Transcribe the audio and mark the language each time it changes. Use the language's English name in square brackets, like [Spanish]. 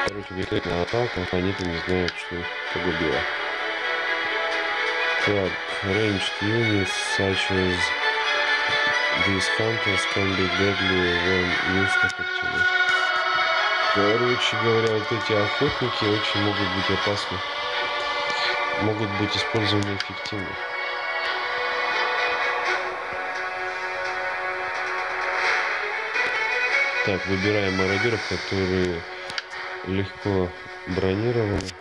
[Russian] Бежит на атаку, оппоненты не знают, что погубило. Так, [English] ranged units such as these hunters can be deadly when used effectively. [Russian] Короче говоря, вот эти охотники очень могут быть опасны. Могут быть использованы эффективно. Так, выбираем мародеров, которые легко бронированы.